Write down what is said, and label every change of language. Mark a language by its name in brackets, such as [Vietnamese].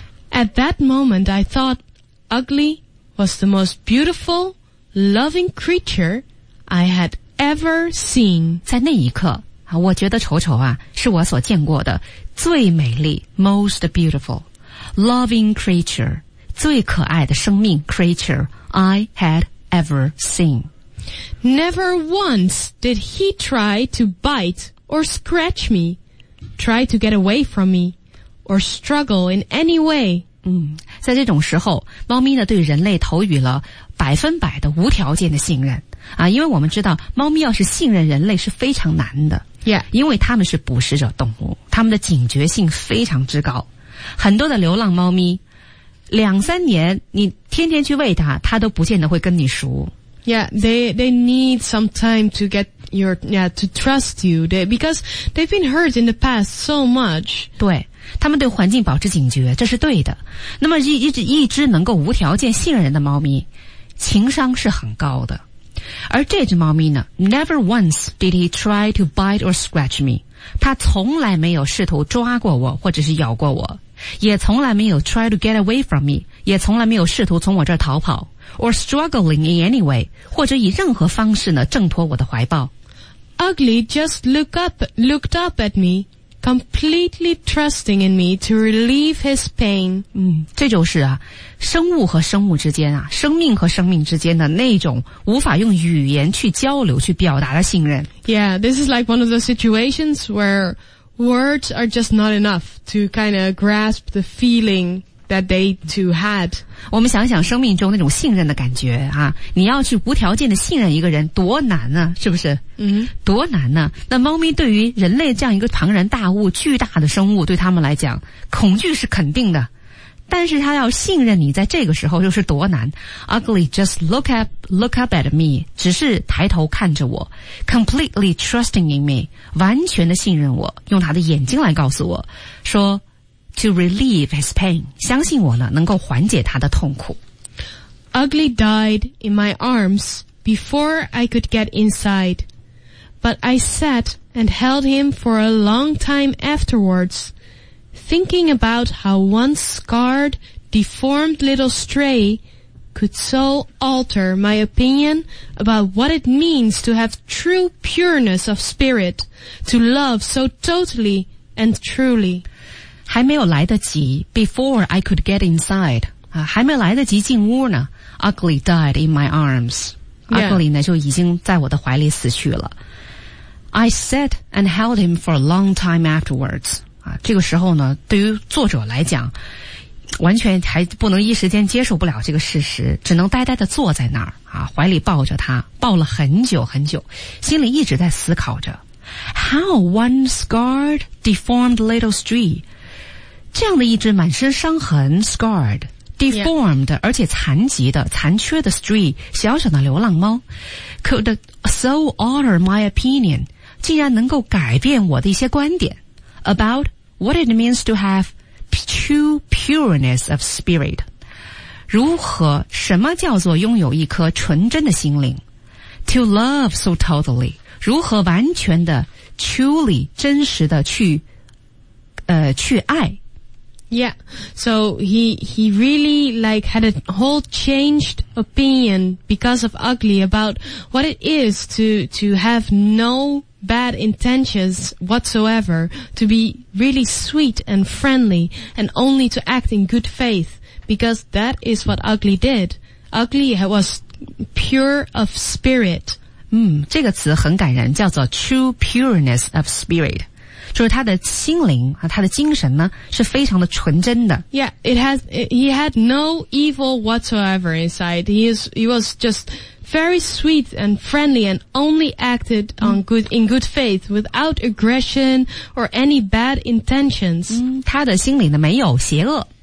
[English] At that moment I thought Ugly was the most beautiful loving creature I had ever seen [Chinese] 在那一刻我觉得丑丑啊是我所见过的最美丽 [English] most beautiful loving creature [Chinese] 最可爱的生命 [English] creature I had ever seen Never once did he try to bite or scratch me try to get away from me or struggle in any way [Chinese] 在这种时候猫咪呢对人类投予了百分百的无条件的信任啊，因为我们知道猫咪要是信任人类是非常难的 [English] Yeah. [Chinese] 因为他们是捕食者动物他们的警觉性非常之高很多的流浪猫咪两三年你天天去喂它它都不见得会跟你熟 [English] Yeah, they need some time to get your, yeah, to trust you they, because they've been hurt in the past so much [Chinese] 对他们对环境保持警觉这是对的那么 一只能够无条件信任的猫咪情商是很高的而这只猫咪呢 [English] Never once did he try to bite or scratch me [Chinese] 它从来没有试图抓过我或者是咬过我也从来没有 [English] try to get away from me [Chinese] 也从来没有试图从我这儿逃跑 [English] or struggling in any way [Chinese] 或者以任何方式呢挣脱我的怀抱 [English] Ugly just looked up at me completely trusting in me to relieve his pain [Chinese] 这就是啊生物和生物之间啊生命和生命之间的那种无法用语言去交流去表达的信任 [English] Yeah, this is like one of those situations where words are just not enough to kind of grasp the feeling that they two had [Chinese] 我们想想生命中那种信任的感觉啊你要去无条件的信任一个人多难呢、啊、是不是嗯、多难呢、啊、那猫咪对于人类这样一个庞然大物巨大的生物对他们来讲恐惧是肯定的但是他要信任你在这个时候就是多难 [English] Ugly just look up at me [Chinese] 只是抬头看着我 [English] completely trusting in me [Chinese] 完全的信任我用他的眼睛来告诉我说 [English] to relieve his pain [Chinese] 相信我呢能够缓解他的痛苦 [English] Ugly died in my arms before I could get inside but I sat and held him for a long time afterwardsThinking about how one scarred, deformed little stray could so alter my opinion about what it means to have true pureness of spirit, to love so totally and truly. [Chinese] 还没有来得及 [English] before I could get inside. [Chinese] 还没有来得及进屋呢 [English] Ugly died in my arms. Yeah. [Chinese] Ugly 呢就已经在我的怀里死去了。 [English] I sat and held him for a long time afterwards. [Chinese] 这个时候呢对于作者来讲完全还不能一时间接受不了这个事实只能呆呆地坐在那儿啊，怀里抱着他抱了很久很久心里一直在思考着 [English] How one scarred deformed little stray [Chinese] 这样的一只满身伤痕 [English] scarred deformed、 yeah. [Chinese] 而且残疾的残缺的 [English] stray [Chinese] 小小的流浪猫 [English] could so alter my opinion [Chinese] 竟然能够改变我的一些观点 [English] About what it means to have true pureness of spirit. [Chinese] 如何什么叫做拥有一颗纯真的心灵 [English] To love so totally. [Chinese] 如何完全的 truly 真实的去爱 [English] Yeah. So he really like had a whole changed opinion because of Ugly about what it is to have nobad intentions whatsoever to be really sweet and friendly and only to act in good faith because that is what Ugly did Ugly was pure of spirit [Chinese] 这个词很感人叫做 [English] true pureness of spirit [Chinese] 就是他的心灵和他的精神呢是非常的纯真的 [English] Yeah, he had no evil whatsoever inside he was justvery sweet and friendly and only acted on good faith without aggression or any bad intentions [Chinese] 他的心里呢没有邪恶